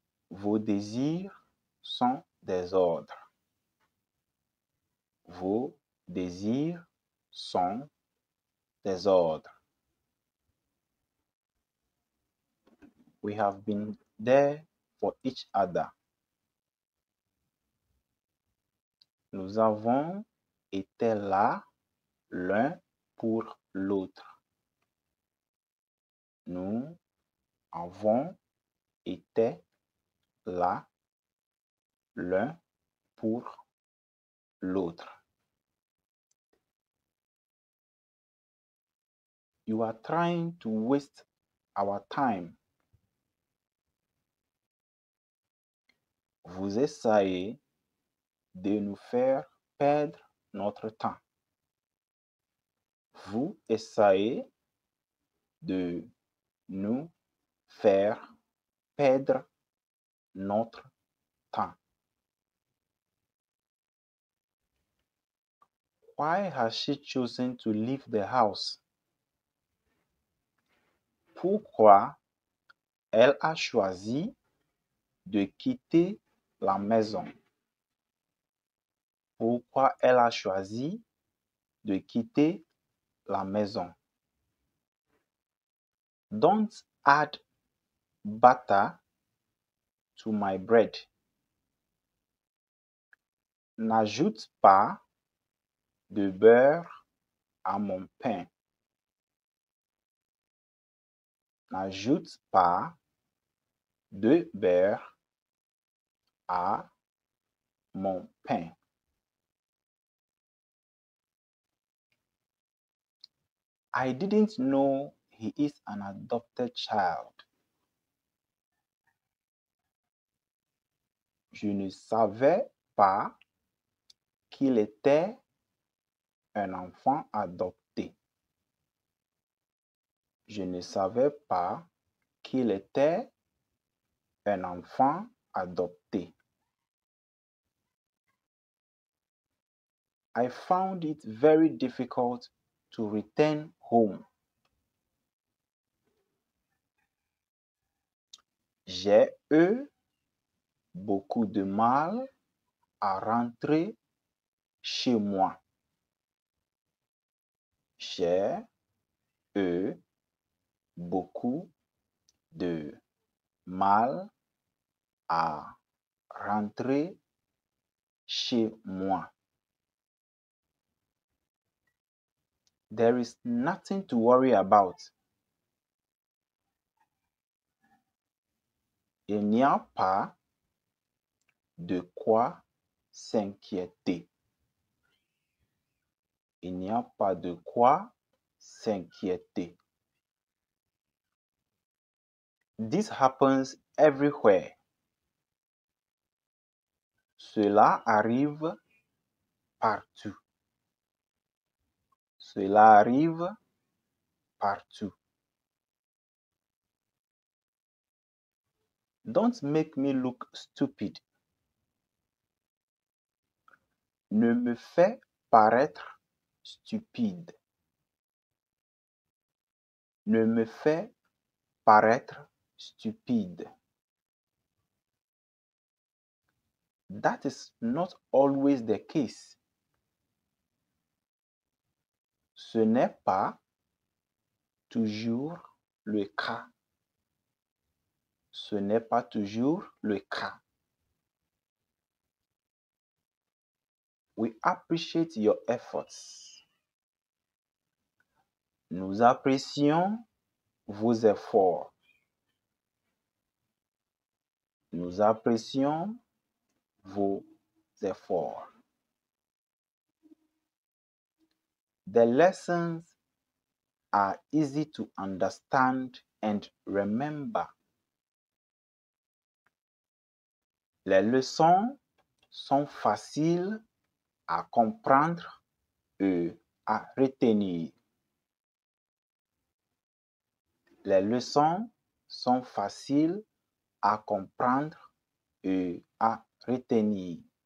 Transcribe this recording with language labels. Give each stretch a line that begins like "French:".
French: Vos désirs sont des ordres. Vos désirs sont des ordres.
English: We have been there for each other.
French: Nous avons été là l'un pour l'autre. Nous avons été là l'un pour l'autre.
English: You are trying to waste our time.
French: Vous essayez de nous faire perdre notre temps. Vous essayez de nous faire perdre notre temps.
English: Why has she chosen to leave the house?
French: Pourquoi elle a choisi de quitter la maison? Pourquoi elle a choisi de quitter la maison?
English: Don't add butter to my bread.
French: N'ajoute pas de beurre à mon pain. N'ajoute pas de beurre à mon pain.
English: I didn't know he is an adopted child.
French: Je ne savais pas qu'il était un enfant adopté. Je ne savais pas qu'il était un enfant adopté.
English: I found it very difficult to return home.
French: J'ai eu beaucoup de mal à rentrer chez moi. J'ai eu beaucoup de mal à rentrer chez moi.
English: There is nothing to worry about.
French: Il n'y a pas de quoi s'inquiéter. Il n'y a pas de quoi s'inquiéter.
English: This happens everywhere.
French: Cela arrive partout. Cela arrive partout.
English: Don't make me look stupid.
French: Ne me fais paraître stupide. Ne me fais paraître stupide.
English: That is not always the case.
French: Ce n'est pas toujours le cas. Ce n'est pas toujours le cas.
English: We appreciate your efforts.
French: Nous apprécions vos efforts. Nous apprécions vos efforts.
English: The lessons are easy to understand and remember.
French: Les leçons sont faciles à comprendre et à retenir. Les leçons sont faciles à comprendre et à retenir.